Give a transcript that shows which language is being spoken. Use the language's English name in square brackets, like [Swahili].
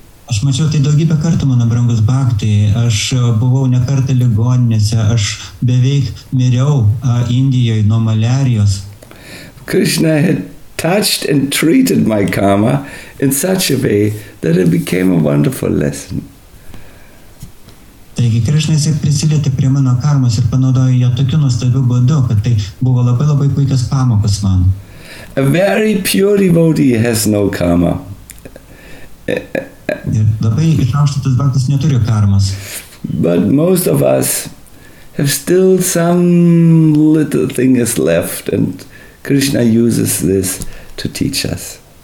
[Lithuanian] Aš mačiau tai daugybę kartų, mano brangus Bhakti. Aš buvau ne kartą ligoninėse, aš beveik miriau Indijoje nuo maliarijos. [English] Krishna had touched and treated my karma in such a way that it became a wonderful lesson. [Lithuanian] Taigi Krishna jis prisilietė prie mano karmos ir panaudojo jo tokiu nuostabiu būdu, kad tai buvo labai labai puikios pamokos man. [English] A very pure devotee has no karma. But most of us have still some little thing is left, and Krishna uses this to teach us.